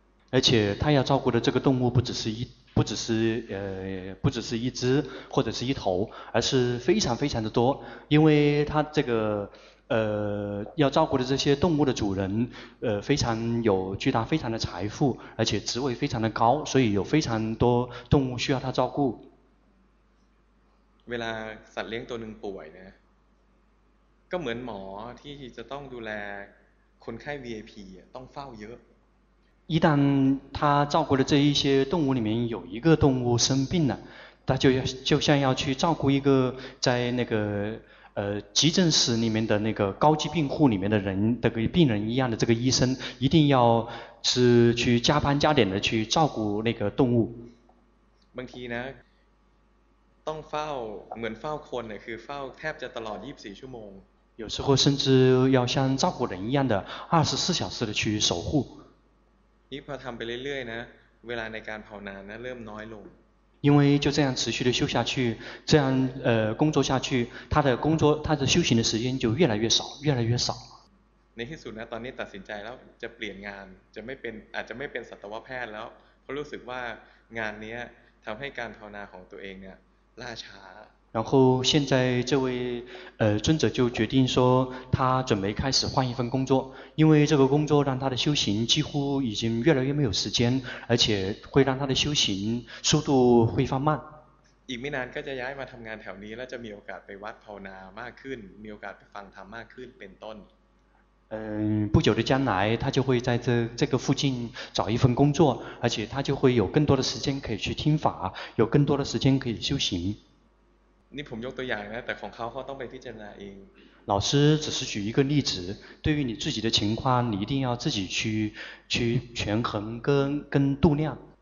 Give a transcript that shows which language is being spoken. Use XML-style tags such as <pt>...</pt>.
<zh>而且他要照顾的这个动物不只是一不只是不只是一只或者是一头，而是非常非常的多，因为他这个要照顾的这些动物的主人非常有巨大非常的财富，而且职位非常的高，所以有非常多动物需要他照顾。</zh> <th>เวลาสัตว์เลี้ยงตัวนึงป่วยนะก็เหมือนหมอที่จะต้องดูแลคนไข้ VIP ต้องเฝ้าเยอะ</th> <zh>一旦他照顾的这一些动物里面有一个动物生病了，他就像要去照顾一个在那个急诊室里面的那个高级病户里面的人的病人一样的，这个医生一定要是去加班加点的去照顾那个动物。</zh> <th>บางทีนะต้องเฝ้าเหมือนเฝ้าคนเนี่ยคือเฝ้าแทบจะตลอด24ชั่วโมง。</th> <zh>有时候甚至要像照顾人一样的24小时的去守护。</zh> <th>นี่พอทำไปเรื่อยๆนะเวลาในการภาวนานะเริ่มน้อยลง</th> <zh>因为就这样持续的修下去，这样工作下去，他的工作他的修行的时间就越来越少越来越少。</zh> <th>ในที่สุดนะตอนนี้ตัดสินใจแล้วจะเปลี่ยนงานจะไม่เป็นอาจจะไม่เป็นสัตวแพทย์แล้วเพราะรู้สึกว่างานนี้ทำให้การภาวนาของตัวเองเนี่ยล่าช้า</th> <zh>然后现在这位尊者就决定说他准备开始换一份工作，因为这个工作让他的修行几乎已经越来越没有时间，而且会让他的修行速度会放慢。</zh> <th>อีกไม่นานก็จะย้ายมาทำงานแถวนี้และจะมีโอกาสไปวัดภาวนามากขึ้นมีโอกาสไปฟังธรรมมากขึ้นเป็นต้น</th> <zh>不久的将来他就会在这个附近找一份工作，而且他就会有更多的时间可以去听法，有更多的时间可以修行。</zh> <th>นี่ผมยกตัวอย่างนะแต่ของเขาเขาต้องไปพิจารณาเอง</th> <zh>老师只是举一个例子，对于你自己的情况你一定要自己去权衡跟度量。</zh>